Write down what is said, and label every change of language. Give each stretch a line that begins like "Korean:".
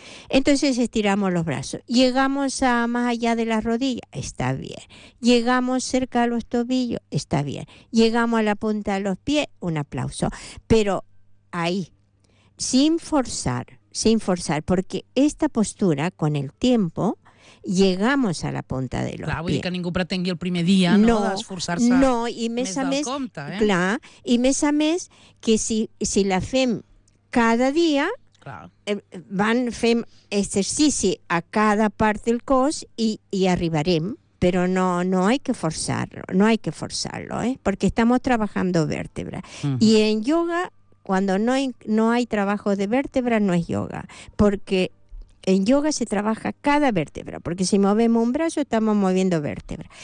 Spanish: Entonces estiramos los brazos. Llegamos a más allá de las rodillas, está bien. Llegamos cerca a los tobillos, está bien. Llegamos a la punta de los pies, un aplauso. Pero ahí, sin forzar, porque esta postura con el tiempo llegamos a la punta de los pies.
Catalan: Clar, vull dir que ningú pretengui el primer dia, no, no d'esforçar-se no, més a del més, compte. Eh? Clar, i més a més que si la fem cada dia, van fent exercici a cada part del cos i arribarem.
Spanish: Però no hay que forzarlo, no hay que forzarlo, ¿eh? Porque estamos trabajando vértebra. Uh-huh. Y en yoga, cuando no hay trabajo de vértebra, no es yoga. Porque en yoga se trabaja cada vértebra, porque si movemos un brazo estamos moviendo vértebra.